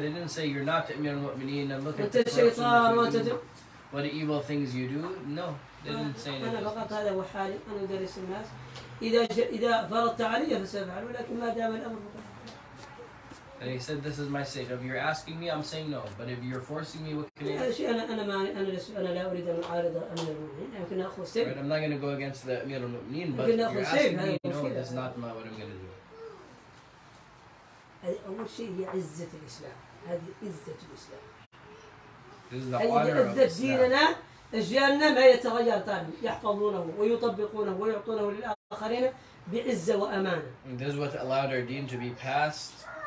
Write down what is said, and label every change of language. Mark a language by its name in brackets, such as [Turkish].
[English] They didn't say you're not Amir al-Mu'mineen and look at the shaitan, what evil things you do. No, [Arabic] أنا فقط هذا هو حالي أنا أدرس الناس إذا فرضت علي فسأفعل ولكن ما دام الأمر [English] And he said, "This is my state. If you're asking me, I'm saying no. But if you're forcing me, what can I?" Right, I'm not going to go against the Amir al-Mu'mineen, but if you're asking me, no, that's not what I'm going to do. This is the honor of Islam. [Arabic] أجيالنا ما يتغير طالما يحفظونه ويطبقونه ويعطونه للآخرين بعزة وأمانة. [English] This is what allowed our deen to be passed.